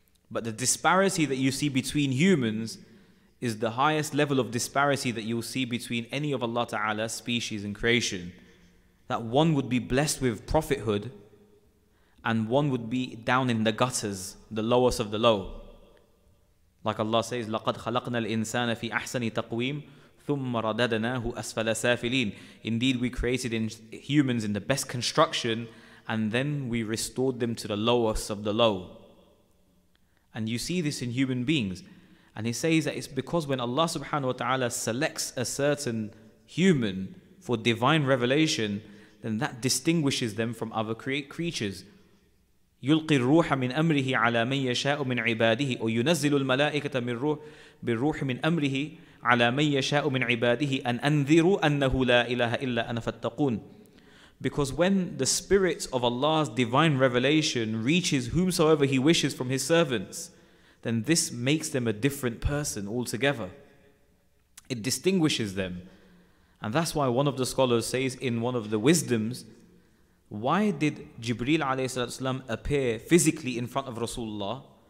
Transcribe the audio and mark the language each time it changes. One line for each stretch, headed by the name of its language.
English: But the disparity that you see between humans is the highest level of disparity that you'll see between any of Allah Ta'ala's species and creation. That one would be blessed with prophethood and one would be down in the gutters, the lowest of the low.
Arabic: Like Allah says, لَقَدْ خَلَقْنَا الْإِنسَانَ فِي أَحْسَنِ تَقْوِيمٍ ثُمَّ رَدَدَنَاهُ أَسْفَلَ سَافِلِينَ.
English: Indeed, we created humans in the best construction and then we restored them to the lowest of the low. And you see this in human beings. And he says that it's because when Allah subhanahu wa ta'ala selects a certain human for divine revelation, then that distinguishes them from other creatures.
Arabic: يلقي الروح من أمره على من يشاء من عباده أو ينزل الملائكة من روح بالروح من أمره على من يشاء من عباده أن أنذروا أنه لا إله إلا أنا فاتقون.
English: Because when the spirit of Allah's divine revelation reaches whomsoever He wishes from His servants, then this makes them a different person altogever. It distinguishes them. And that's why one of the scholars says in one of the wisdoms, why did Jibreel alayhi salatu wasalam appear physically in front of Rasulullah?